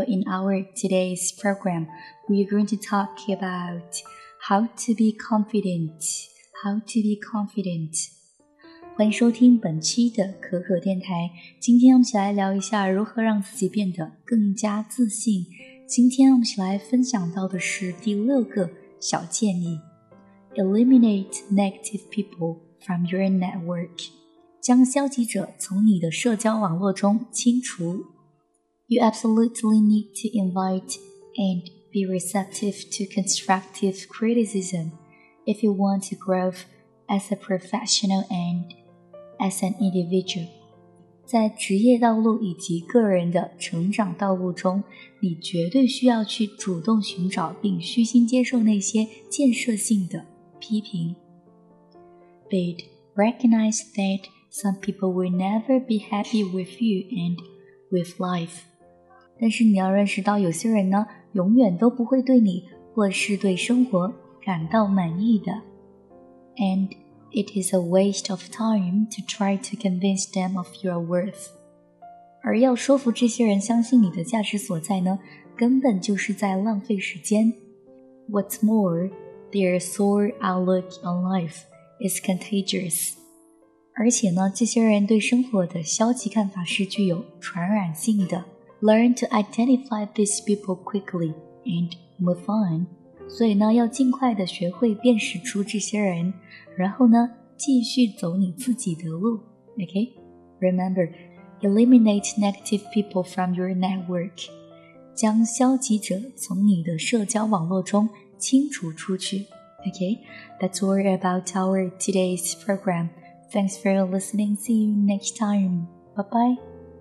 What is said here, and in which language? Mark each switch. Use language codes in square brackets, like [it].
[en] In our today's program, we are going to talk about how to be confident. How to be confident. [zh] 欢迎收听本期的可可电台。今天我们一起来聊一下如何让自己变得更加自信。今天我们一起来分享到的是第六个小建议。 [en] Eliminate negative people from your network. [zh] 将消极者从你的社交网络中清除。 [en] You absolutely need to invite and be receptive to constructive criticism if you want to grow as a professional and as an individual. [zh] 在职业道路以及个人的成长道路中，你绝对需要去主动寻找并虚心接受那些建设性的批评。 [en] But recognize thatSome people will never be happy with you and with life. [zh] 但是你要认识到有些人呢，永远都不会对你或是对生活感到满意的。 [en] And it is a waste of time to try to convince them of your worth. [zh] 而要说服这些人相信你的价值所在呢，根本就是在浪费时间。 [en] What's more, their sore outlook on life is contagious. [zh] 而且呢，这些人对生活的消极看法是具有传染性的。 [en] Learn to identify these people quickly and move on. [zh] 所以呢，要尽快的学会辨识出这些人，然后呢，继续走你自己的路。 [en] Okay? Remember, eliminate negative people from your network. [zh] 将消极者从你的社交网络中清除出去。 [en] Okay? That's all about our today's program.Thanks for listening. See you next time. Bye-bye.